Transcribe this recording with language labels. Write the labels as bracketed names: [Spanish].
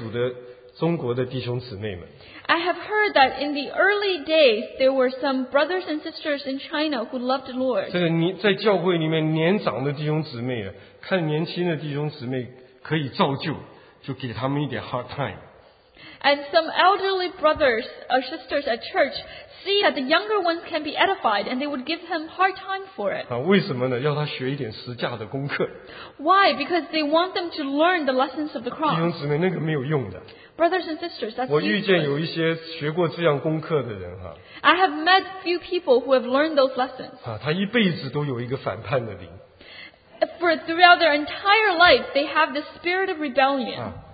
[Chinese] 有的时候，我听说以往早期有一些爱主的中国的弟兄姊妹们。 [English] I have heard that in the early days there were some brothers and sisters in China who loved the Lord. [Chinese] 这个你在教会里面年长的弟兄姊妹，看年轻的弟兄姊妹可以造就，就给他们一点 [English] hard time. And some elderly brothers or sisters at church see that the younger ones can be edified, and they would give him hard time for it. [Chinese] 为什么呢？要他学一点十架的功课。 [English] Why? Because they want them to learn the lessons of the cross. [Chinese] 弟兄姊妹，那个没有用的。 [English] Brothers and sisters, that's [Chinese] 我遇见有一些学过这样功课的人哈。 [English] I have met few people who have learned those lessons. [Chinese] 他一辈子都有一个反叛的灵。 [English] For throughout their entire life, they have the spirit of rebellion.